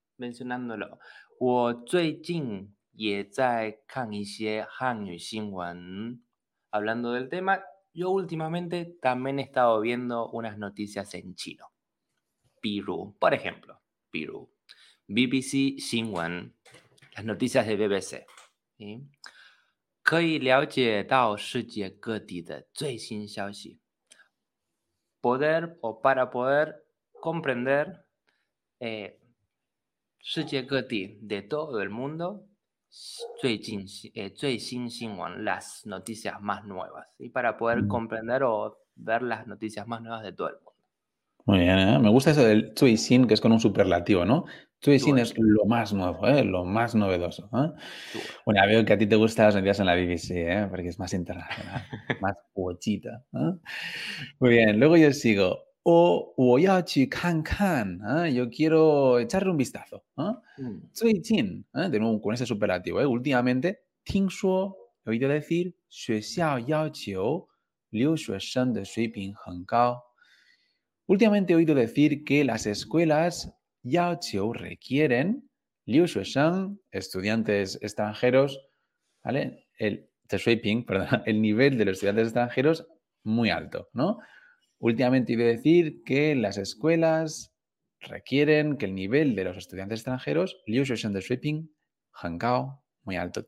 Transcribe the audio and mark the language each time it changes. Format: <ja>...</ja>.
<es>Mencionándolo,</es> <zh>我最近也在看一些汉语新闻,</zh> <es>hablando del tema, yo últimamente también he estado viendo unas noticias en chino. Por ejemplo, BBC 新闻, las noticias de BBC. ¿Sí?</es> <zh>可以了解到世界各地的最新消息.</zh> <es>Poder o para poder comprender</es> <zh>世界各地</zh> <es>de todo el mundo</es> <zh>最近, 最新新闻,</zh> <es>las noticias más nuevas. Y ¿sí? Para poder comprender o ver las noticias más nuevas de todo el mundo. Muy bien, ¿eh? Me gusta eso del Zuixin, que es con un superlativo, ¿no? Zuixin es lo más nuevo, ¿eh? Lo más novedoso. ¿Eh? Bueno, veo que a ti te gustan las noticias en la BBC, ¿eh? Porque es más internacional, más pochita. ¿Eh? Muy bien, luego yo sigo.</es> <zh>O woyaochi kankan,</zh> <es>¿eh? Yo quiero echarle un vistazo. Zuixin, ¿eh? De nuevo con ese superlativo, ¿eh? Últimamente, tingshuo, he oído decir,</es> <zh>学校要求留学生的水平很高.</zh> <es>Últimamente he oído decir que las escuelas yaoqiu requieren liu shuesheng, estudiantes extranjeros, ¿vale? El nivel de los estudiantes extranjeros muy alto, ¿no? Últimamente he oído decir que las escuelas requieren que el nivel de los estudiantes extranjeros</es> <zh>liu shuesheng de shuiping hengao,</zh> <es>muy alto.</es>